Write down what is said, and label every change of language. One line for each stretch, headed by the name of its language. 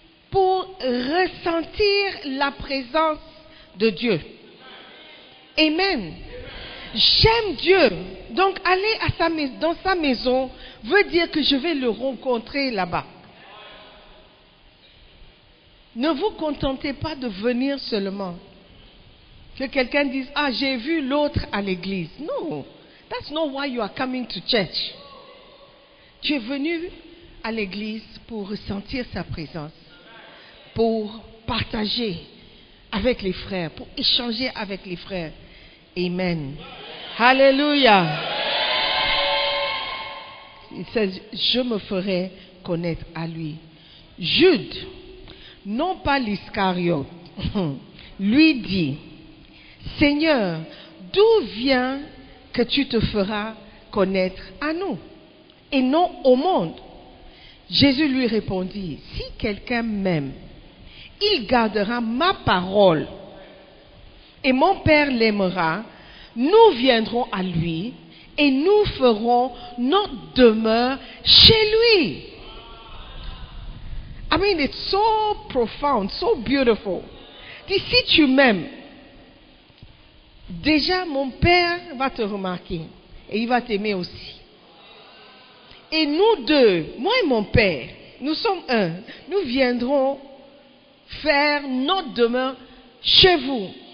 French: pour ressentir la présence de Dieu. Amen. J'aime Dieu. Donc, aller à sa maison, dans sa maison veut dire que je vais le rencontrer là-bas. Ne vous contentez pas de venir seulement. Que quelqu'un dise, ah, j'ai vu l'autre à l'église.
English: No, that's not why you are coming to church.
French: Tu es venu à l'église pour ressentir sa présence, pour partager avec les frères, pour échanger avec les frères. Amen. Hallelujah. Il dit, je me ferai connaître à lui. Jude, non pas l'Iscariote, lui dit, Seigneur, d'où vient que tu te feras connaître à nous et non au monde? Jésus lui répondit, si quelqu'un m'aime, il gardera ma parole et mon Père l'aimera, nous viendrons à lui et nous ferons notre demeure chez lui.
English: I mean, it's so profound, so beautiful.
French: Dis, si tu m'aimes, déjà mon Père va te remarquer et il va t'aimer aussi. Et nous deux, moi et mon Père, nous sommes un. Nous viendrons faire notre demeure chez vous.